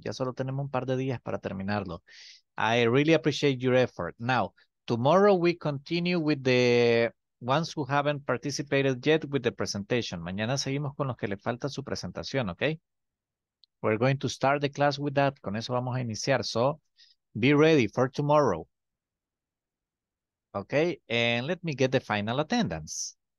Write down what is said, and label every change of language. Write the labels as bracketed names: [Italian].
[Spanish] Ya solo tenemos un par de días para terminarlo. [English] I really appreciate your effort. Now, tomorrow we continue with the ones who haven't participated yet with the presentation. [Spanish] Mañana seguimos con los que le falta su presentación, okay? [English] We're going to start the class with that. [Spanish] Con eso vamos a iniciar. [English] So, be ready for tomorrow. Okay, and let me get the final attendance.